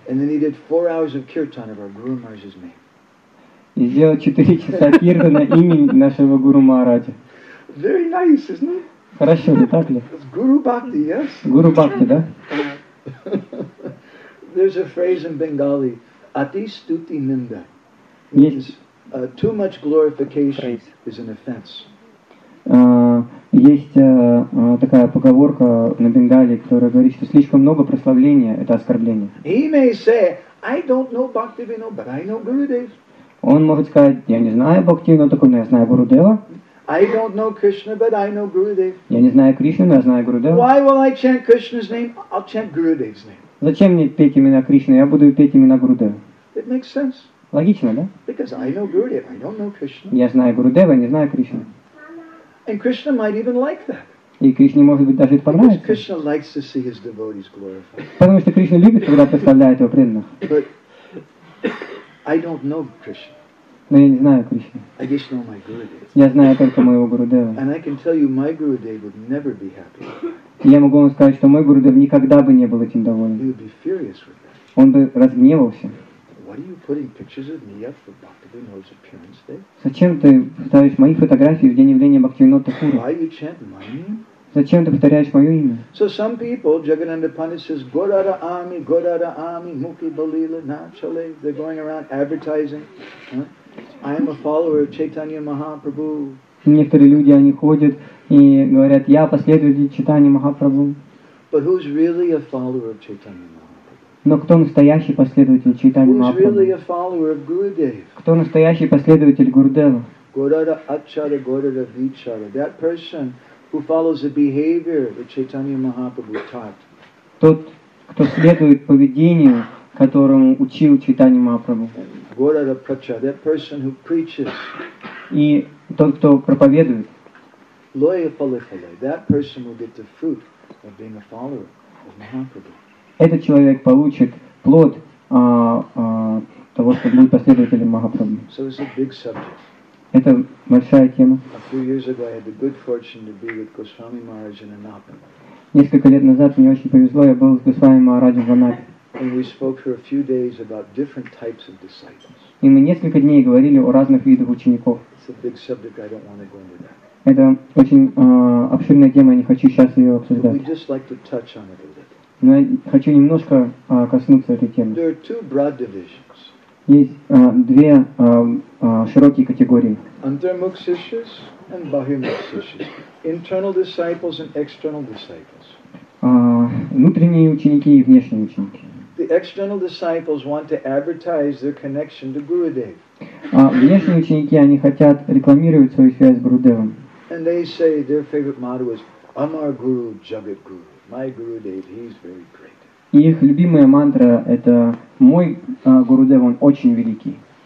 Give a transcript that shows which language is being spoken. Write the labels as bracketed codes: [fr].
[en] And then he did 4 hours of kirtan of our Guru Maharaj's name. [ru] И сделал 4 часа киртана имени нашего Гуру Махараджа. [en] Very nice, isn't it? [ru] Хорошо, не так ли? [en] Guru Bhakti, yes? [ru] Guru Bhakti, да? [en] There's a phrase in Bengali, [bn] Ati Stuti Ninda. [en] Means, too much glorification is an offense. [ru] Есть такая поговорка на Бенгали, которая говорит, что слишком много прославления – это оскорбление. [en] He may say, I don't know Bhaktivinoda, but I know Gurudev. [ru] Он может сказать, я не знаю Бхактивинода Такура, но я знаю Гурудева. [en] I don't know Krishna, but I know Gurudev. [ru] Я не знаю Кришну, но я знаю Гурудева. [en] Why will I chant Krishna's name? I'll chant Gurudev's name. [ru] Зачем мне петь имена Кришны? Я буду петь имена Гурудева. [en] It makes sense. [ru] Логично, да? [en] Because I know Gurudev, I don't know Krishna. [ru] Я знаю Гурудева, я не знаю Кришну. [en] And Krishna might even like that. [ru] И Кришне, может быть, даже это понравится. [en] Because Krishna likes to see his devotees glorified. [ru] Потому что Кришна любит, когда прославляет его преданных. [en] I don't know Krishna. [ru] Но я не знаю Кришну. [en] I just know my Gurudev. [ru] Я знаю только моего Гурудева. [en] And I can tell you, my Gurudev would never be happy. [ru] Я могу вам сказать, что мой Гурудев никогда бы не был этим доволен. [en] He would be furious with that. [ru] Он бы разгневался. [en] Why are you putting pictures of me up for Bhaktivinoda's appearance day? [ru] Зачем ты ставишь мои фотографии в день явления Бхактивинода Такура? [en] Why you chant my name? [ru] Зачем ты повторяешь мое имя? [en] So some people, Jagannanda Pandit says, [bn] Gorara Ami, Gorara Ami, Muki Balila, Nachale. [en] They're going around advertising. I am a follower of Chaitanya Mahaprabhu. [ru] Некоторые люди, они ходят и говорят, я последователь Чайтаньи Махапрабху. [en] But who's really a follower of Chaitanya Mahaprabhu? [ru] Но кто настоящий последователь Чайтаньи Махапрабху? [en] Who's really a follower of Gurudev? [ru] Кто настоящий последователь Гурудева? [bn] Gorara Achara, Gorara Vichara. [en] That person... who follows the behavior that Chaitanya Mahaprabhu taught. [ru] Тот, кто следует поведению, которому учил Чайтанья Махапрабху. [bn] Gaurara Pracha, [en] that person who preaches. [ru] И тот, кто проповедует. [bn] Loya Palakale, [en] that person will get the fruit of being a follower of Mahaprabhu. [ru] Этот человек получит плод того, чтобы быть последователем Махапрабху. [en] So it's a big subject. [ru] Это большая тема. [en] A few years ago I had the good fortune to be with Goswami Maharaj in Anapa. [ru] Несколько лет назад мне очень повезло, я был с Госвами Махараджем в Анапе. [en] And we spoke for a few days about different types of disciples. [ru] И мы несколько дней говорили о разных видах учеников. [en] It's a big subject, I don't want to go into that. [ru] Это очень обширная тема, я не хочу сейчас ее обсуждать. [en] But we just like to touch on it a little. [ru] Но я хочу немножко коснуться этой темы. [en] There are two broad divisions. [ru] Есть две широкие категории. [en] Antarmukshishyas and Bahirmukshishyas. Internal disciples and external disciples. [ru] Внутренние ученики и внешние ученики. [en] The external disciples want to advertise their connection to Gurudev. [ru] Внешние ученики, они хотят рекламировать свою связь с Гурудевом. [en] And they say their favorite motto is [bn] Amar Guru Jagat Guru. [en] My Gurudev, he's very great. [ru] И их любимая мантра это мой Гурудев, он очень великий.